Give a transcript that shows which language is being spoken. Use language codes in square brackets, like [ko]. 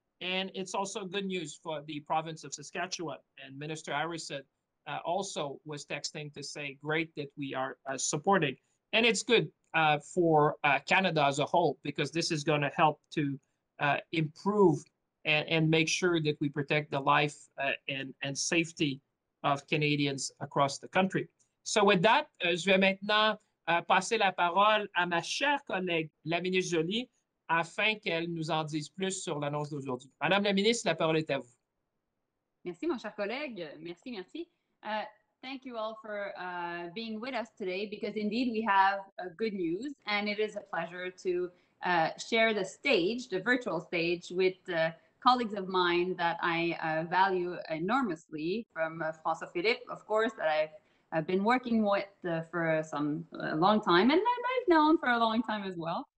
[en] And it's also good news for the province of Saskatchewan. And Minister Harrison also was texting to say, great that we are supporting. And it's good for Canada as a whole, because this is going to help to improve and make sure that we protect the life and safety of Canadians across the country. So with that, [fr] je vais maintenant passer la parole à ma chère collègue, la ministre Joly, afin qu'elle nous en dise plus sur l'annonce d'aujourd'hui. Madame la ministre, la parole est à vous. Merci, mon cher collègue. Merci, merci. [en] Thank you all for being with us today, because indeed we have good news, and it is a pleasure to share the stage, the virtual stage, with colleagues of mine that I value enormously, from François-Philippe, of course, that I've been working with for some long time, and that I've known for a long time as well.